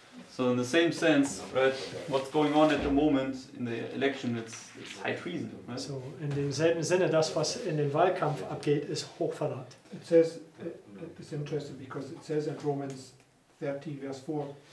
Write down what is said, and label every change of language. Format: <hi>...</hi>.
<en>So in the same sense, right, what's going on at the moment in the election, it's high treason, right?</en> <de>So in demselben Sinne, das was in den Wahlkampf abgeht, ist Hochverrat.</de> <en>It says, it's interesting because it says in Romans 13, verse 4.</en>